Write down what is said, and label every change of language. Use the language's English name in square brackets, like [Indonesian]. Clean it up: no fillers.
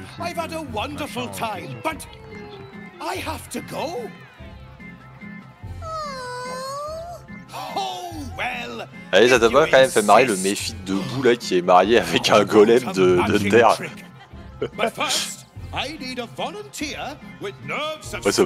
[English] I've had a wonderful time, but I have to go. Oh well. [French] Allez, ça t'a pas quand même fait marrer le méfite debout là qui est marié avec un golem de terre. [English] But first, I need a volunteer with nerves of steel.